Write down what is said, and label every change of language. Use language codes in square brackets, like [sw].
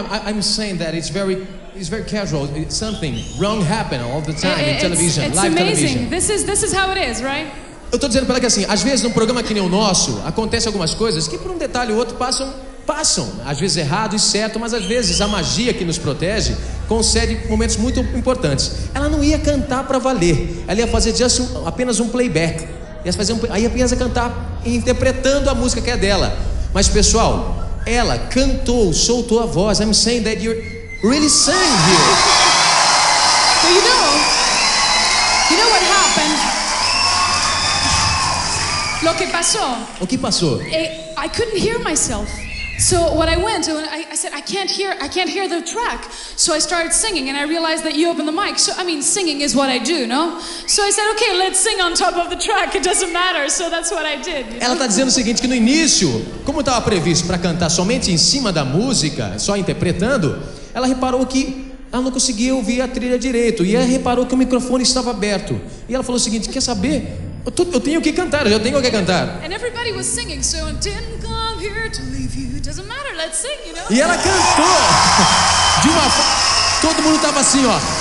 [en] I'm saying that it's very casual. It's something wrong happen all the time in television, it's live amazing. Television. This is how it is, right? [pt] Eu tô dizendo para ela que assim, às vezes num programa que nem o nosso, acontece algumas coisas que por um detalhe ou outro passam, às vezes errado e certo, mas às vezes a magia que nos protege concede momentos muito importantes. Ela não ia cantar para valer. Ela ia fazer apenas um playback. Ia cantar interpretando a música que é dela. Mas pessoal, ela cantou, soltou a voz. [en] I'm saying that you're really sang here. So you know what happened? [es] Lo que pasó. [pt] O que passou? [en] I couldn't hear myself. So what I went, I said, I can't hear the track. So I started singing and I realized that you opened the mic. So I mean, singing is what I do, no? So I said, okay, let's sing on top of the track. It doesn't matter. So that's what I did. [pt] Ela tá dizendo o seguinte, que no início, como estava previsto para cantar somente em cima da música, só interpretando, ela reparou que ela não conseguia ouvir a trilha direito. E ela reparou que o microfone estava aberto. E ela falou o seguinte, quer saber? Eu tenho o que cantar, eu tenho o que cantar. [en] And everybody was singing, so I didn't come here to leave you. It doesn't matter, let's sing, you know? [pt] E ela cantou. De uma todo mundo tava assim, ó.